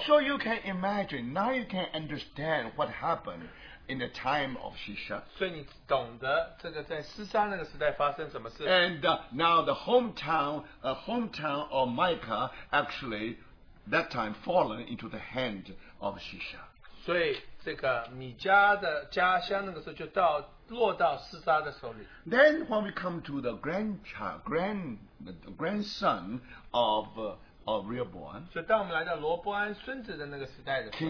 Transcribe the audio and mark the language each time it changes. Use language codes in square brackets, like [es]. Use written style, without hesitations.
[en] So you can imagine, now you can understand what happened in the time of Shishak. [zh] 所以你懂得这个在施沙那个时代发生什么事。 [en] And now the hometown of Micah actually. That time fallen into the hand of Shisha. [zh] 所以这个米迦的家乡那个时候就到落到示沙的手里。 [en] Then when we come to the grandson of Rehoboam. [zh] 所以当我们来到罗伯安孙子的那个时代的时候。